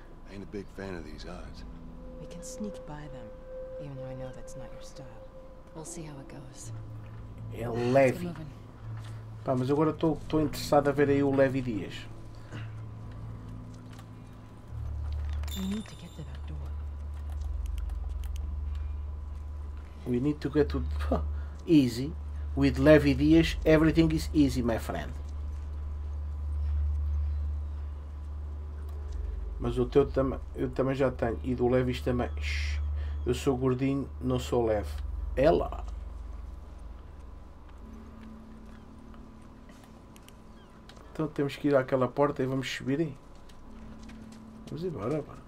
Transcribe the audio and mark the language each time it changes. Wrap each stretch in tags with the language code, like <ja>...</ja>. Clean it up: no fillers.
<en>I ain't a big fan of these odds. We can sneak by them, even though I know that's not your style. We'll see how it goes.</en> <pt>É Levi. Pá, mas agora estou interessado a ver aí o Levi Dias.</pt> <en>We need to get to that door. We need to get to... easy. With Levi Dias, everything is easy, my friend.</en> <pt>Mas o teu também, eu também já tenho. E do Levis também. Shhh. Eu sou gordinho, não sou leve. Ela. Então temos que ir àquela porta e vamos subir aí. Vamos embora.</pt>